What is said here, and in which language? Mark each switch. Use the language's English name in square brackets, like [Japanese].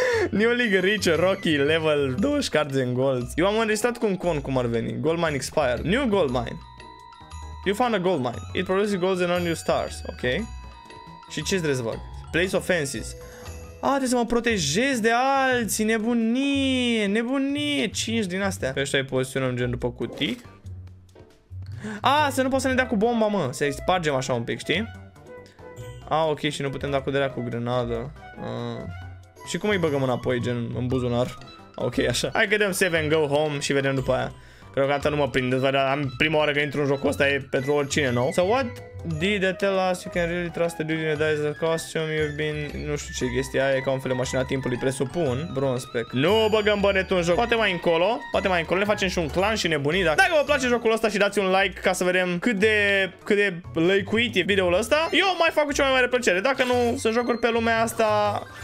[English] New League Rich Rocky level 20 cards and golds. [Romanian] Eu am înregistrat cu un con cum ar veni. [English] Gold mine expired. New gold mine. You found a gold mine. It produces golds and earn new stars. [Romanian] Ok. Și ce trebuie să fac? [English] Place offenses. [Romanian] A, trebuie să mă protejez de alții. Nebunie. Nebunie. 5 din astea. Pe ăștia îi poziționăm gen după cutii. A, să nu poți să ne dea cu bomba, mă. Să-i spargem așa un pic, știi? A, ok, și nu putem da cu derea cu grenadă. Și cum îi băgăm înapoi, gen, în buzunar? Ok, așa. Hai că dăm 7, go home și vedem după aia. Cred că nu mă prind, dar am prima oară că intru în jocul ăsta, e pentru oricine, nou. [English] So what did they tell us? You can really trust the dude in the Dizer costume. You've been... [Romanian] nu știu ce chestia aia, e ca un fel de mașina timpului, presupun. Bronze pack. Nu băgăm bănetul în joc. Poate mai încolo, poate mai încolo. Le facem și un clan și nebunii, dacă... dacă vă place jocul ăsta și dați un like ca să vedem cât de... cât de lăicuit e videoul ăsta. Eu mai fac cu cea mai mare plăcere. Dacă nu, sunt jocuri pe lumea asta...